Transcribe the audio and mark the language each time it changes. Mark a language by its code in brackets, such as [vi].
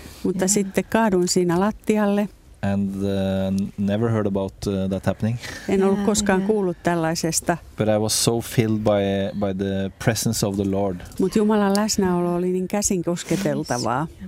[fi] Mutta sitten kaaduin siinä lattialle. [en] And never heard about that happening. [fi] En ollut koskaan kuullut tällaisesta. [en] But I was so filled by the presence of the Lord. [fi] Mut Jumalan läsnäolo oli niin käsin kosketeltavaa.